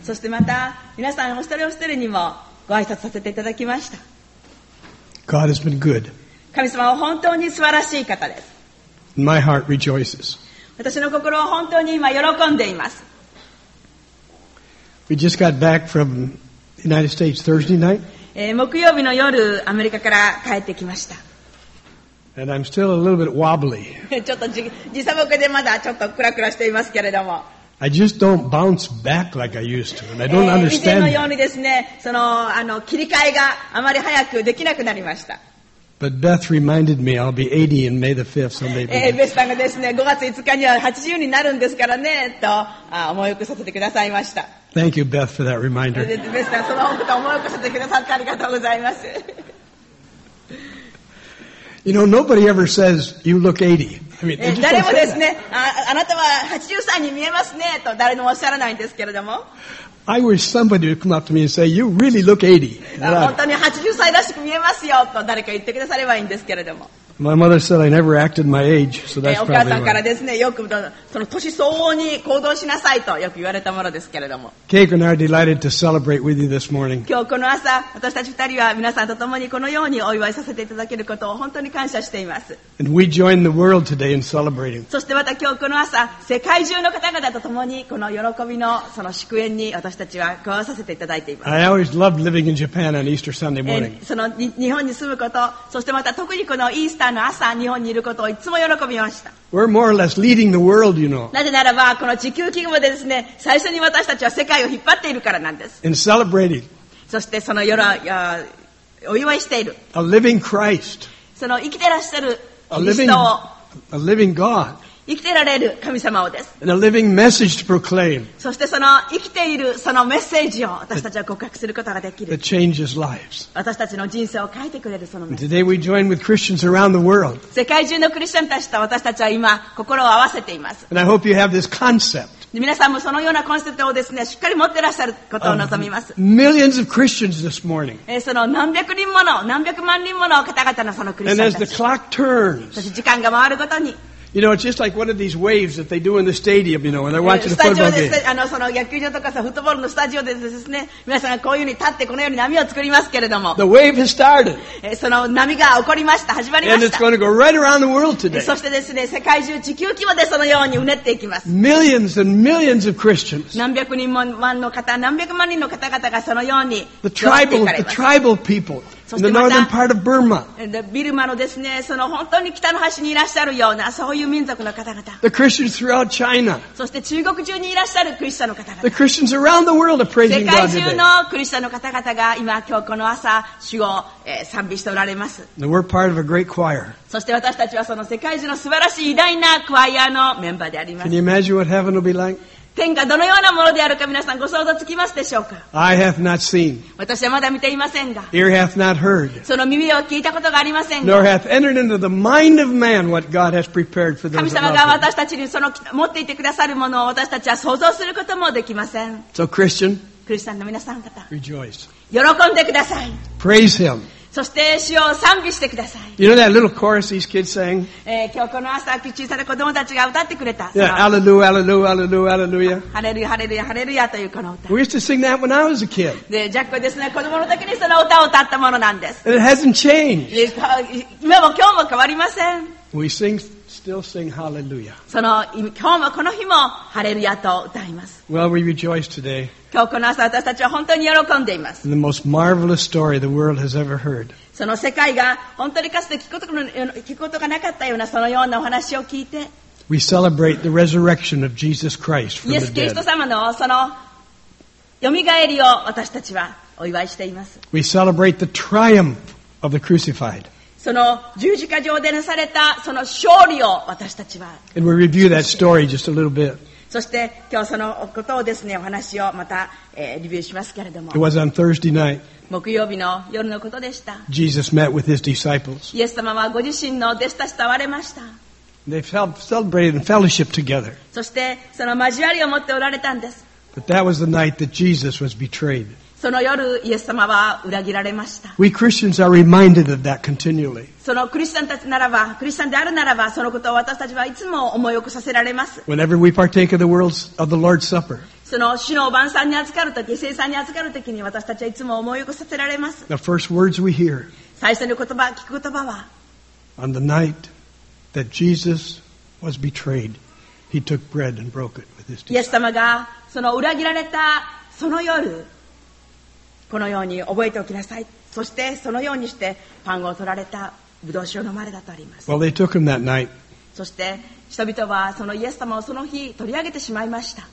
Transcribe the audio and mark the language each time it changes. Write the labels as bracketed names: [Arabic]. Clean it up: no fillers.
[Japanese] そしてまた皆さんお一人お一人にもご挨拶させていただきました。 [English] God has been good. [Japanese] 神様は本当に素晴らしい方です。 [English] My heart rejoices. [Japanese] 私の心は本当に今喜んでいます。 [English] We just got back from the United States Thursday night. [Japanese] 木曜日の夜アメリカから帰ってきました。 [English] And I'm still a little bit wobbly. [Japanese] ちょっと時差ボケでまだちょっとクラクラしていますけれども。 [English] I just don't bounce back like I used to, and I don't understand. [Japanese] 以前のようにですね、その切り替えがあまり早くできなくなりました。 [English] But Beth reminded me I'll be 80 in May the 5th, so maybe. [Japanese] ベスさんがですね、5月5日には80になるんですからねと思い起こさせてくださいました。 [English] Thank you, Beth, for that reminder. [Japanese] ベスさん、そのことを思い起こさせてくださってありがとうございます。 [English] You know, nobody ever says you look 80. I mean, they just don't say that. [Japanese] 誰もですね、あなたは83に見えますねと誰もおっしゃらないんですけれども。 [English] I wish somebody would come up to me and say, "You really look 80." [Japanese] 本当に80歳らしく見えますよと誰か言ってくださればいいんですけれども。 [English] My mother said I never acted my age, so that's probably right. [Japanese] お母さんからですね、よくその年相応に行動しなさいとよく言われたものですけれども。 [English] Cake and I are delighted to celebrate with you this morning. [Japanese] 今日この朝、私たち二人は皆さんと共にこのようにお祝いさせていただけることを本当に感謝しています。 [English] And we join the world today in celebrating. [Japanese] そしてまた今日この朝、世界中の方々と共にこの喜びのその祝宴に私たちは加わさせていただいています。 [English] I always loved living in Japan on Easter Sunday morning. [Japanese] その日本に住むこと、そしてまた特にこのイースターの朝日本にいることをいつも喜びました。 [English] We're more or less leading the world, you know. [Japanese] なぜならばこの地球規模でですね、最初に私たちは世界を引っ張っているからなんです。 [English] And celebrating. [Japanese] そしてその夜お祝いしている [English] A living Christ. [Japanese] その生きてらっしゃるキリストを [English] A living God. [Japanese] 生きてられる神様をです。 [English] And a living message to proclaim. [Japanese] そしてその生きているそのメッセージを私たちは告白することができる。 [English] That changes lives. [Japanese] 私たちの人生を変えてくれるそのメッセージ。 [English] Today we join with Christians around the world. [Japanese] 世界中のクリスチャンたちと私たちは今心を合わせています。 [English] And I hope you have this concept. [Japanese] 皆さんもそのようなコンセプトをですね、しっかり持ってらっしゃることを望みます。 [English] Millions of Christians this morning. [Japanese] その何百人もの、何百万人もの方々のそのクリスチャンたち。 [English] And as the clock turns. [Japanese] そして時間が回るごとに、 [English] You know, it's just like one of these waves that they do in the stadium, you know, when they're watching a football game. [Japanese] その野球場とかさ、フットボールのスタジオでですね、皆さんがこういうふうに立ってこのように波を作りますけれども。 [English] The wave has started. [Japanese] その波が起こりました。始まりました。 [English] And it's going to go right around the world today. [Japanese] そしてですね、世界中、地球規模でそのようにうねっていきます。 [English] Millions and millions of Christians. [Japanese] 何百人も万の方、何百万人の方々がそのように。 [English] The tribal people. In the northern part of Burma. [Japanese] ビルマのですね、その本当に北の端にいらっしゃるような、そういう民族の方々。 [English] The Christians throughout China. [Japanese] そして中国中にいらっしゃるクリスチャンの方々。 [English] The Christians around the world are praising God today. [Japanese] 世界中のクリスチャンの方々が今、今日この朝、主を賛美しておられます。 [English] And we're part of a great choir. [Japanese] そして私たちはその世界中の素晴らしい偉大なクワイアのメンバーであります。 [English] Can you imagine what heaven will be like? [Japanese] 天がどのようなものであるか皆さんご想像つきますでしょうか。 [English] I have not seen. [Japanese] 私はまだ見ていませんが。 [English] Ear hath not heard. [Japanese] その耳は聞いたことがありませんが。 [English] Nor hath entered into the mind of man what God has prepared for those who love him. [Japanese] 神様が私たちにその持っていてくださるものを私たちは想像することもできません。 [English] So Christian, [Japanese] クリスチャンの皆さん方、 [English] Rejoice. [Japanese] 喜んでください。 [English] Praise him. [Japanese] そして主を賛美してください。 [English] You know that little chorus these kids sang? [Japanese] 今日この朝、小さな子供たちが歌ってくれた。 [English] Yeah, Alleluia, Alleluia, Alleluia, Alleluia. [Japanese] ハレルヤ、ハレルヤ、ハレルヤというこの歌。 [English] We used to sing that when I was a kid. [Japanese] で、ジャックはですね、子供の時にその歌を歌ったものなんです。 [English] And it hasn't changed. [Japanese] 今日も変わりません。 [English] We sing, still sing Hallelujah. [Japanese] その、今日もこの日もハレルヤと歌います。 [English] Well, we rejoice today. [Japanese] 今日この朝私たちは本当に喜んでいます。 [English] The most marvelous story the world has ever heard. [Japanese] その世界が本当にかつて聞くことがなかったようなそのようなお話を聞いて。 [English] We celebrate the resurrection of Jesus Christ from the dead. [Japanese] イエス・キリスト様のその蘇りを私たちはお祝いしています。 [English] We celebrate the triumph of the crucified. [Japanese] その十字架上でなされたその勝利を私たちは。 [English] And we review that story just a little bit. [Japanese] そして今日そのことをですね、お話をまた、リビューしますけれども。 [English] It was on Thursday night. [Japanese] 木曜日の夜のことでした。 [English] Jesus met with his disciples. [Japanese] イエス様はご自身の弟子たちと会われました。 [English] They celebrated in fellowship together. [Japanese] そしてその交わりを持っておられたんです。 [English] But that was the night that Jesus was betrayed. [Japanese] その夜、イエス様は裏切られました。 [English] We Christians are reminded of that continually. [Japanese] そのクリスチャンたちならば、クリスチャンであるならば、そのことを私たちはいつも思い起こさせられます。 [English] Whenever we partake of the world's of the Lord's Supper. [Japanese] その主の晩餐に預かるとき、聖餐に預かるときに私たちはいつも思い起こさせられます。 [English] The first words we hear, [Japanese] 最初の言葉、聞く言葉は、 [English] On the night that Jesus was betrayed, he took bread and broke it with his disciples. [Japanese] イエス様がその裏切られたその夜、このように覚えておきなさい。そしてそのようにしてパンを取られた、ブドウ酒を飲まれたとあります。 [English] Well, they took him that night. [Japanese] そして人々はそのイエス様をその日取り上げてしまいました。